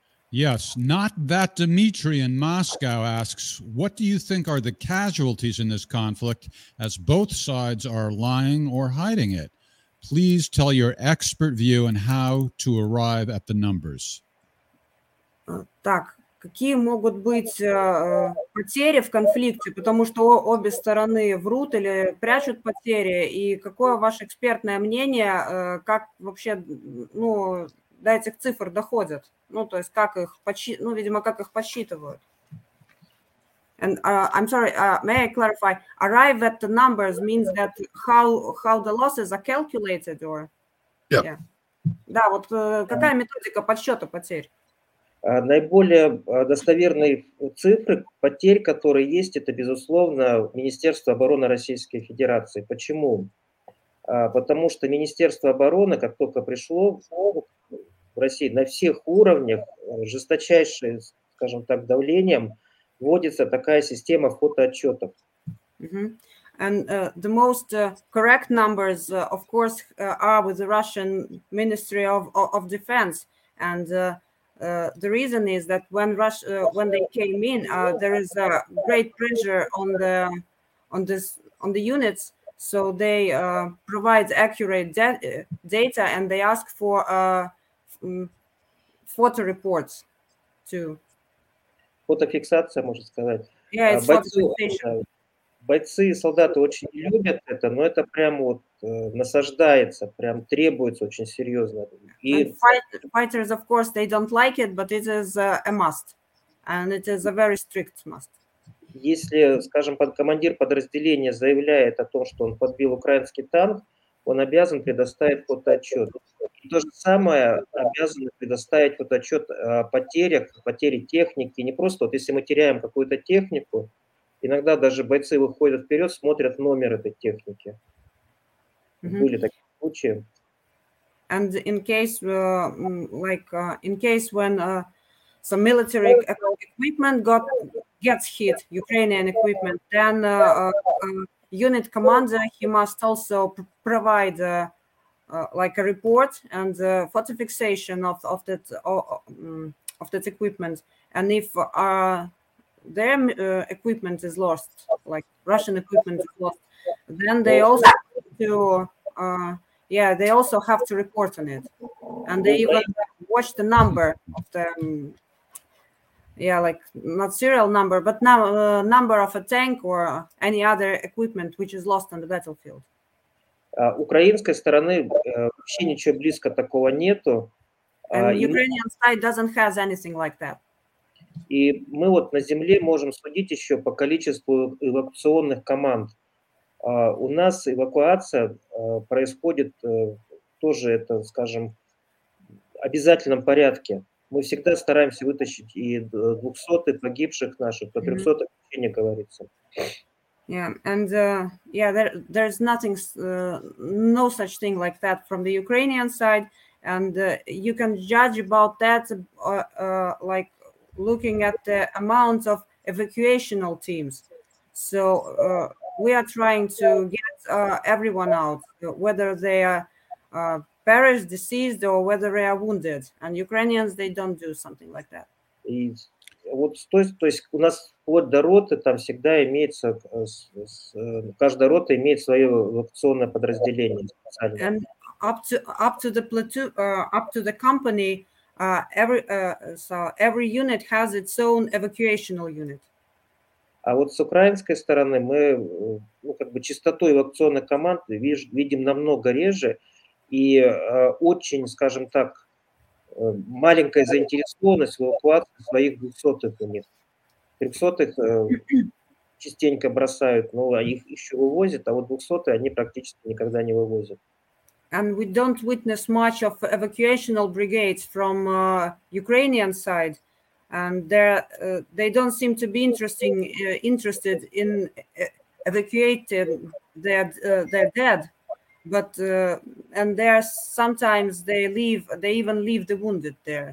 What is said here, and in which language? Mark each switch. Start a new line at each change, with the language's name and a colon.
English: Yes, not that Dmitry in Moscow asks, what do you think are the casualties in this conflict as both sides are lying or hiding it? Please tell your expert view and how to arrive at the numbers.
Russian: Так, какие могут быть потери в конфликте, потому что обе стороны врут или прячут потери, и какое ваше экспертное мнение, как вообще, ну, до этих цифр доходят? Ну, то есть как их подсчитывают, ну, видимо, как их подсчитывают.
English: And I'm sorry, may I clarify? Arrive at the numbers means that how the losses are calculated, or? Yeah.
Russian: Да, вот какая методика подсчета потерь? Наиболее достоверные цифры потерь, которые есть, это, безусловно, Министерство обороны Российской Федерации. Почему? Потому что Министерство обороны, как только пришло в России, на всех уровнях, жесточайшее, скажем так, давлением, вводится такая система фотоотчетов.
English: And the most correct numbers, of course, are with the Russian Ministry of Defense. And the reason is that when Russia, when they came in, there is a great pressure on the on the units. So they provide accurate data, and they ask for photo reports to.
Russian: Фотофиксация, можно сказать.
English: Yeah, it's фотофиксация.
Russian: Бойцы и солдаты очень любят это, но это прям вот насаждается, прям требуется очень серьезно.
English: И fighters, of course, they don't like it, but it is a must, and it is a very strict must.
Russian: Если, скажем, командир подразделения заявляет о том, что он подбил украинский танк, он обязан предоставить фотоотчет. И то же самое обязан предоставить фотоотчет о потерях, потери техники. Не просто вот если мы теряем какую-то технику. Иногда даже бойцы выходят вперед, смотрят номер этой техники. Mm-hmm. Были такие случаи.
English: And in case, like, in case when some military equipment gets hit, Ukrainian equipment, then unit commander, he must also provide like a report and photo fixation of that equipment. And if their equipment is lost, like Russian equipment is lost, then they also have to report on it, and they even watch the number of the not serial number, but number of a tank or any other equipment which is lost on the battlefield.
Russian: Украинской стороны вообще ничего близко такого нету.
English: Ukrainian side doesn't have anything like that.
Russian: И мы вот на земле можем судить еще по количеству эвакуационных команд. У нас эвакуация происходит тоже, это, скажем, в обязательном порядке. Мы всегда стараемся вытащить и 200 погибших наших, по 300 вообще не говорится.
English: Yeah, and there's nothing, no such thing like that from the Ukrainian side. And you can judge about that like looking at the amount of evacuational teams. So we are trying to get everyone out, whether they are perished, deceased, or whether they are wounded. And Ukrainians, they don't do something like that.
Russian: И вот то есть у нас вплоть до роты там всегда имеется, каждая рота имеет свое эвакуационное подразделение специальное.
English: And up to the company, every unit has its own evacuational unit.
Russian: А вот с украинской стороны мы, ну, как бы частоту эвакуационных команд видим намного реже, и очень, скажем так, маленькая заинтересованность в эвакуации своих 200-х у них. 300-х частенько бросают, но их еще вывозят, а вот 200-е они практически никогда не вывозят.
English: And we don't witness much of evacuational brigades from Ukrainian side, and they don't seem to be interested in evacuating their dead, but and there sometimes they even leave the wounded there.